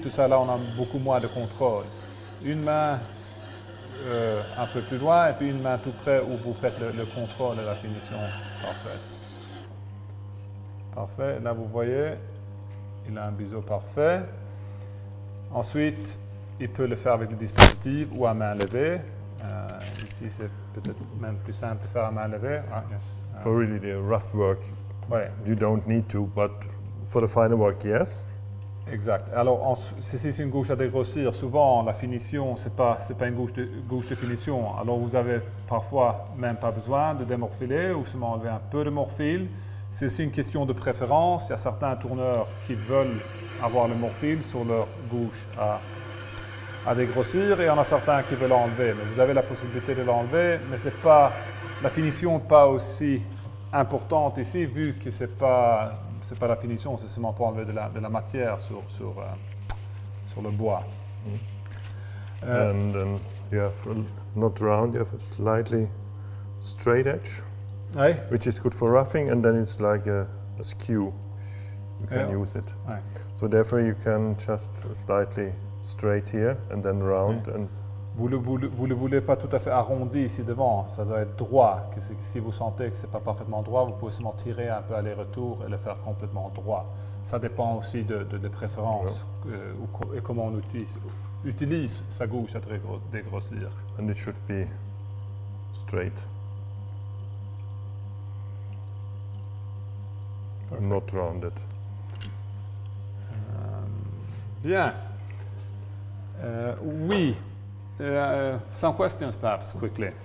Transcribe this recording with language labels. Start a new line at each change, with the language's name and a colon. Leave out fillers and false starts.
French: Tout ça, là, on a beaucoup moins de contrôle. Une main un peu plus loin et puis une main tout près où vous faites le contrôle et la finition. Parfait. Parfait. Là, vous voyez, il a un biseau parfait. Ensuite, il peut le faire avec le dispositif ou à main levée. Ici, c'est peut-être même plus simple de faire à main levée.
English: Ah, yes. For really the rough work, ouais. You don't need to, but for the final work, yes.
French: Exact. Alors, si c'est une gauche à dégrossir, souvent, la finition, c'est pas une gauche de finition. Alors, vous avez parfois même pas besoin de démorphiler ou seulement enlever un peu de morphile. C'est aussi une question de préférence. Il y a certains tourneurs qui veulent avoir le morphile sur leur gauche à dégrossir et il y en a certains qui veulent l'enlever. Mais vous avez la possibilité de l'enlever, mais c'est pas la finition n'est pas aussi importante ici, vu que c'est pas la finition, c'est seulement pour enlever de la matière sur le bois. Mm.
English: And you have not round, you have a slightly straight edge, aye? Which is good for roughing, and then it's like a skew. you can use it. So therefore you can just slightly straight here and then round and
French: vous le voulez pas tout à fait arrondi ici devant, ça doit être droit. Si vous sentez que c'est pas parfaitement droit, vous pouvez seulement tirer un peu aller-retour et le faire complètement droit. Ça dépend aussi de préférences et comment on utilise sa gauche à dégrossir.
English: And it should be straight. Perfect. Not rounded.
French: Bien. Oui.
English: Some questions, perhaps, quickly.